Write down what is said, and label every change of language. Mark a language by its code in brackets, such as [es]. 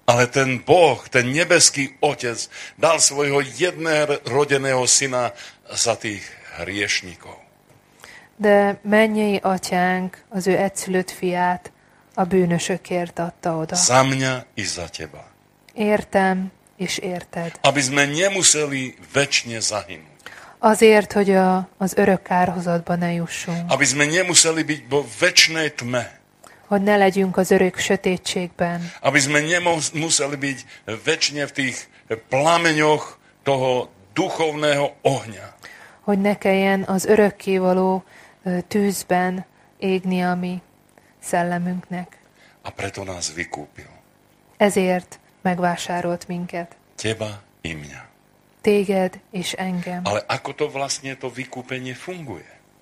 [sk] Ale ten Boh, ten nebeský otec, dal svojho jednorodeného syna za tých hriešnikov. [hu] De mennyei atyánk az ő egyszülött fiát a bűnösökért adta oda. [sk] Za mňa i za teba. [hu] Értem és érted. [sk] Aby sme nemuseli večne zahynúť. [hu] Azért, hogy az örök kárhozatba ne jussunk. [sk] Aby sme nemuseli byť vo večnej tme. [hu] Hogy ne legyünk az örök sötétségben. [sk] Aby sme nemuseli byť večne v tých plameňoch toho duchovného ohňa. [hu] Hogy ne kelljen az örökkévaló tűzben égni a mi szellemünknek. [sk] A preto nás vykúpil. [hu] Ezért megvásárolt minket. [sk] Teba i mňa. [hu] Téged és engem. [sk] Ale ako to vlastne to vykúpenie funguje?